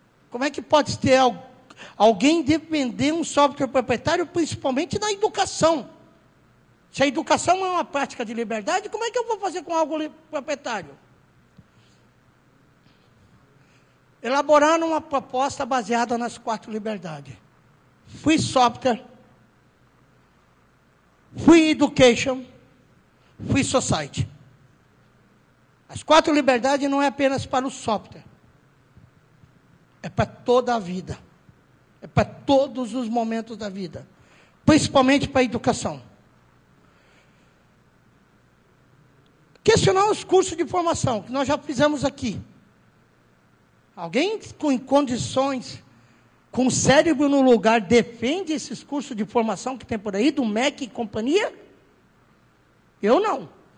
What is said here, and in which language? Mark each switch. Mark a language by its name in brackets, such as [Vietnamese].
[Portuguese] Como é que pode ter alguém defender um software proprietário, principalmente na educação? Se a educação é uma prática de liberdade, como é que eu vou fazer com algo proprietário? Elaboraram uma proposta baseada nas quatro liberdades. [English] Free software, free education, free society. [Portuguese] As quatro liberdades não é apenas para o software. É para toda a vida. É para todos os momentos da vida. Principalmente para a educação. Questionar os cursos de formação, que nós já fizemos aqui. Alguém com condições, com o cérebro no lugar, defende esses cursos de formação que tem por aí, do MEC e companhia? Eu não.